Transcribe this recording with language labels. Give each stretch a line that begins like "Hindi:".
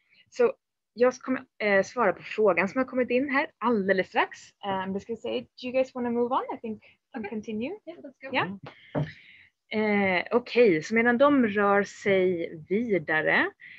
Swedish: Så jag kommer svara på frågan som har kommit in här alldeles strax.
English: Just gonna say, do you guys want to move on? I think we can continue. Yeah, let's go. Yeah.
Swedish: Okej, okay. Så medan de rör sig vidare.